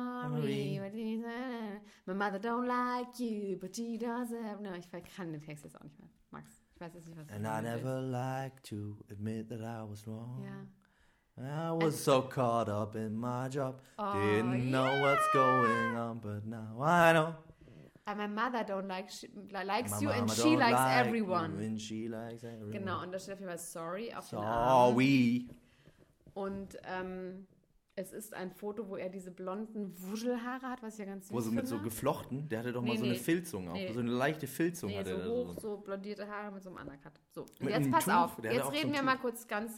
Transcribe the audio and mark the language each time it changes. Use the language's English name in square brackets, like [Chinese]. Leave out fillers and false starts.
[English] Sorry, my mother don't like you, but she doesn't. [German] No, ich kann den Text jetzt auch nicht mehr. Max, ich weiß jetzt nicht, was du [English] And I never like to admit that I was wrong. Yeah. I was so caught up in my job. Oh, didn't know what's going on, but now I know. And my mother don't like likes you and she likes like everyone. And she likes everyone. [German] Genau, und da steht auf jeden Fall sorry auf [English] Sorry. [German] Und Es ist ein Foto, wo er diese blonden Wuschelhaare hat, was ich ja ganz süß finde. Wo so mit so geflochten, der hatte doch mal so eine Filzung auch. Nee. So eine leichte Filzung hatte er. So blondierte Haare mit so einem Undercut. So, jetzt pass auf, jetzt reden wir mal kurz ganz...